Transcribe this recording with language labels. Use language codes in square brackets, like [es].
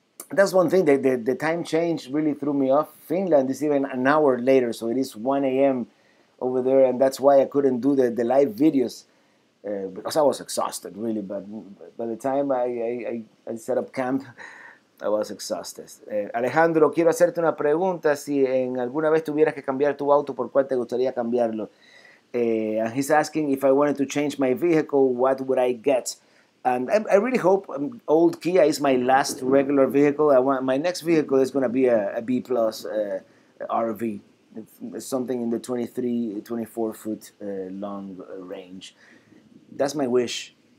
[en] That's one thing, the time change really threw me off. Finland is even an hour later, so it is 1 a.m. over there, and that's why I couldn't do the live videos, because I was exhausted, really. But by the time I set up camp, I was exhausted. [es] Alejandro, quiero hacerte una pregunta. Si en alguna vez tuvieras que cambiar tu auto, ¿por cuál te gustaría cambiarlo? [en] And he's asking if I wanted to change my vehicle, what would I get? And I really hope old Kia is my last regular vehicle. My next vehicle is going to be a B-plus RV. It's something in the 23, 24-foot long range. That's my wish.